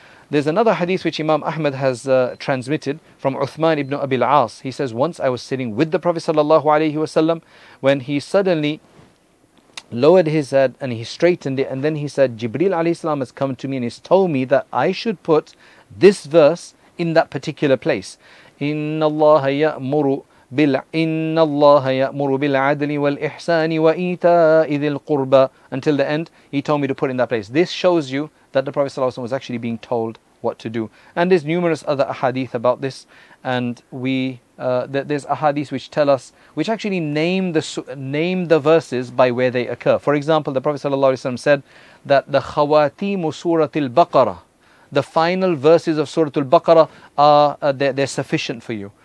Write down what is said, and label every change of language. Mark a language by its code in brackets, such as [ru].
[en] There's another hadith which Imam Ahmad has transmitted from Uthman ibn Abi al-As. He says, once I was sitting with the Prophet ﷺ when he suddenly lowered his head and he straightened it, and then he said, Jibreel alayhi salam has come to me and he's told me that I should put this verse in that particular place. [ar] إن الله يأمر بالعدل والإحسان وإيتاء ذي القربى. [en] Until the end, he told me to put it in that place. This shows you that the Prophet ﷺ was actually being told what to do. And there's numerous other ahadith about this. And there's ahadith which tell us, which actually name the verses by where they occur. For example, the Prophet ﷺ said that the [ar] خواتيم سورة البقرة, [en] the final verses of Surah Al-Baqarah, they're sufficient for you.